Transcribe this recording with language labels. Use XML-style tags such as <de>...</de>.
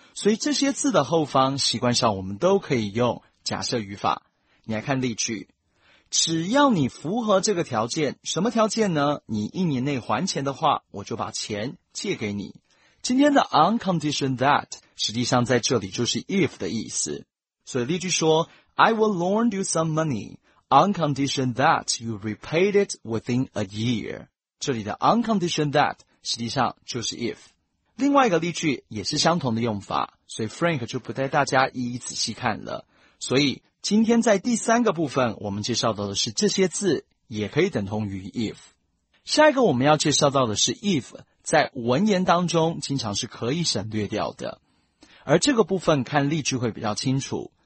<zh>所以这些字的后方习惯上我们都可以用假设语法。你来看例句，只要你符合这个条件，什么条件呢？你一年内还钱的话，我就把钱借给你。今天的 on condition that 实际上在这里就是 if 的意思。所以例句说</zh> <en>I will loan you some money on condition that you repay it within a year。</en> <zh>这里的 on condition that 实际上就是 if。另外一个例句也是相同的用法，所以 Frank 就不带大家一一仔细看了。所以今天在第三个部分我们介绍到的是这些字也可以等同于 if。下一个我们要介绍到的是 if在文言当中经常是可以省略掉的，而这个部分看例句会比较清楚。</zh>